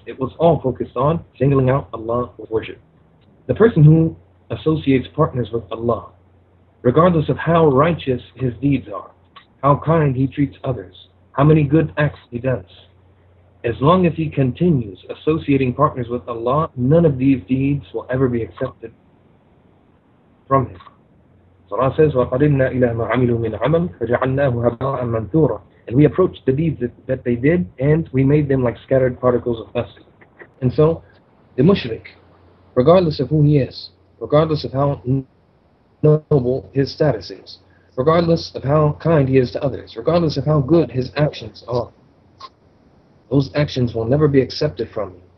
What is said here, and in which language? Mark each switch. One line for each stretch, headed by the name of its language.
English: It was all focused on singling out Allah with worship. The person who associates partners with Allah, regardless of how righteous his deeds are, how kind he treats others, how many good acts he does, as long as he continues associating partners with Allah, none of these deeds will ever be accepted from him. Surah says,
Arabic: وَقَدِمْنَا إِلَى مَا عَمِلُوا مِنْ عَمَلٍ فَجَعَلْنَاهُ هَبَاءً مَنْثُورًا.
English: And we approached the deeds that they did, and we made them like scattered particles of dust. And so, the mushrik, regardless of who he is, regardless of how noble his status is, regardless of how kind he is to others, regardless of how good his actions are, those actions will never be accepted from him.